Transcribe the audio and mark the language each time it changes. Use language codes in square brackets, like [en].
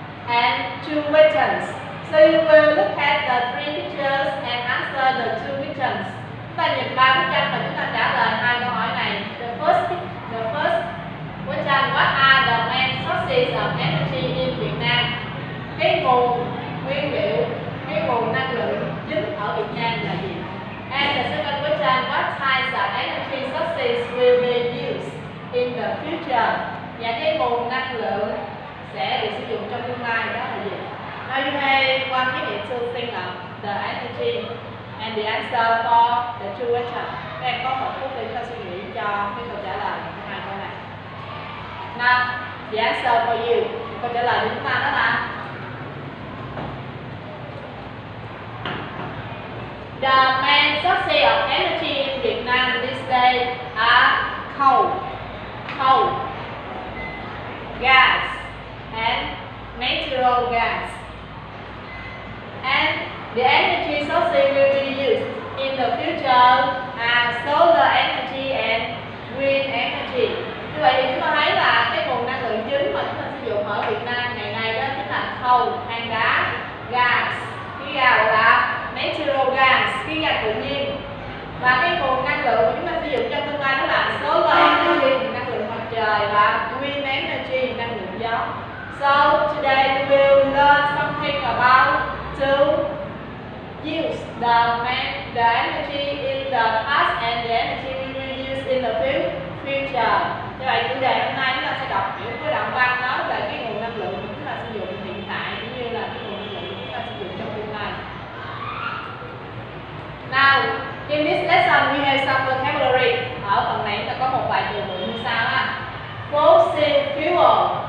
[en] And two questions. So you will look at the three pictures and answer the two questions. [vi] Chúng ta nhìn ba bức tranh và chúng ta trả lời hai câu hỏi này. [en] The first question, what are the main sources of energy in Việt Nam? [vi] Cái nguồn nguyên liệu, cái nguồn năng lượng chính ở Việt Nam là gì? [en] And the second question, what types of energy sources will be used in the future? [vi] Và cái nguồn năng lượng sẽ được sử dụng trong tương lai đó là gì? [en] Now you have one minute to think of the energy and the answer for the two questions. [vi] Các em có một phút để cho suy nghĩ cho cái câu trả lời của hai câu này. [en] Now, the answer for you, [vi] câu trả lời của chúng ta đó là [en] the main sources of energy in Vietnam these days are coal, gas, and natural gas. And the energy sources will be used in the future are solar energy and wind energy. [vi] Như vậy thì chúng ta thấy là cái nguồn năng lượng chính mà chúng ta sử dụng ở Việt Nam ngày nay đó chính là coal, than đá, gas, khí gạo là natural gas, khí gạo tự nhiên. Và cái nguồn năng lượng chúng ta sử dụng trong tương lai đó là solar energy, năng lượng mặt trời, và wind energy, năng lượng gió. [en] So today we will learn something about to use the energy in the past and the energy we will use in the future. [vi] Như vậy chủ đề hôm nay chúng ta sẽ đọc những cái đoạn văn nói về cái nguồn năng lượng chúng ta sử dụng hiện tại cũng như là cái nguồn năng lượng chúng ta sử dụng trong tương lai. [en] Now, in this lesson we have some vocabulary. [vi] Ở phần này chúng ta có một vài từ vựng như sau ha. Fossil fuel.